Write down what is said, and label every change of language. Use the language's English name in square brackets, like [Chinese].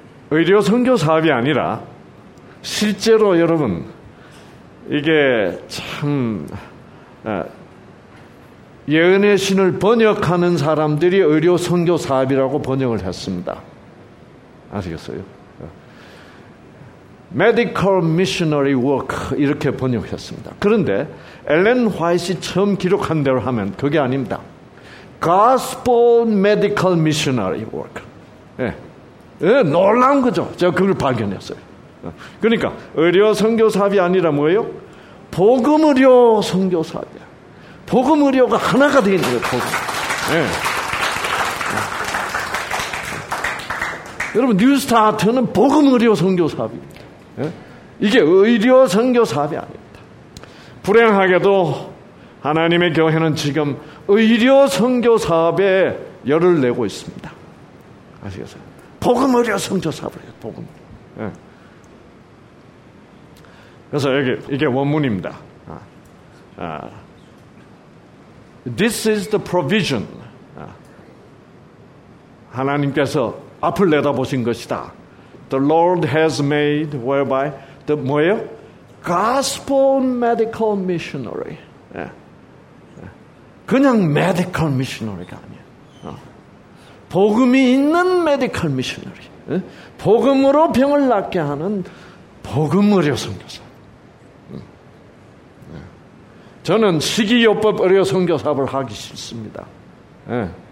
[Korean] 의료 선교 사업이 아니라 실제로 여러분 이게 참 예언의 신을 번역하는 사람들이 의료 선교 사업이라고 번역을 했습니다. 아시겠어요? Medical Missionary Work 이렇게 번역했습니다. 그런데 엘렌 화이트 처음 기록한 대로 하면 그게 아닙니다. [English] Gospel Medical Missionary Work. [Korean] 예, 예, 놀라운 거죠. 제가 그걸 발견했어요. 그러니까 의료 선교사업이 아니라 뭐예요? 복음의료 선교사업이야. 복음의료가 하나가 되어 있는 거예요. 복음. 예. 여러분 뉴스타트는 복음의료 선교사업입니다. 예? 이게 의료 선교사업이 아닙니다. 불행하게도 하나님의 교회는 지금 의료 선교사업에 열을 내고 있습니다. 아시겠어요? 복음의료 선교사업을 해요. 복음. 예. 그래서 여기 이게 원문입니다. [English] 'This is the provision.' [Korean] 하나님께서 앞을 내다보신 것이다. [English] 'The Lord has made whereby the [Korean] 뭐예요? [English] Gospel medical missionary. [Korean] 그냥 medical missionary가 아니야. 복음이 있는 medical missionary. 복음으로 병을 낫게 하는 복음 의료 선교사. 저는 식이요법 의료 선교사업을 하기 싫습니다. 예.